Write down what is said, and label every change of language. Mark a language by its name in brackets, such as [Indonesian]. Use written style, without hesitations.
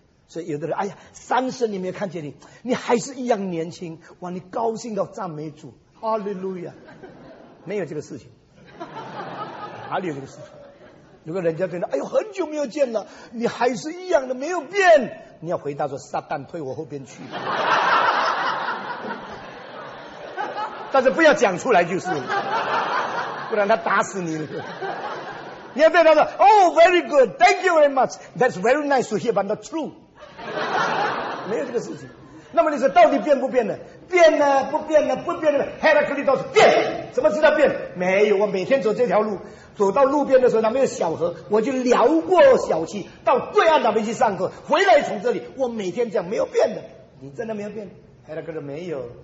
[Chinese] 所以有的人，哎呀，三十年没有看见你，你还是一样年轻，哇，你高兴到赞美主，哈利路亚，没有这个事情，哪里有这个事情？如果人家跟他，哎呦，很久没有见了，你还是一样的，没有变。你要回答说，撒旦推我后边去。但是不要讲出来就是，不然他打死你了。你要对他说 [English] ，Oh, very good, thank you very much, that's very nice to hear, but not true。 [Chinese] 没有这个事情。那么你说到底变不变呢？变呢，不变呢，不变呢。 Heraclitus 变，什么知道变？没有，我每天走这条路。走到路边的时候，那边有小河，我就撩过小溪，到对岸那边去上课，回来从这里，我每天这样没有变的。你真的没有变？海大哥说没有。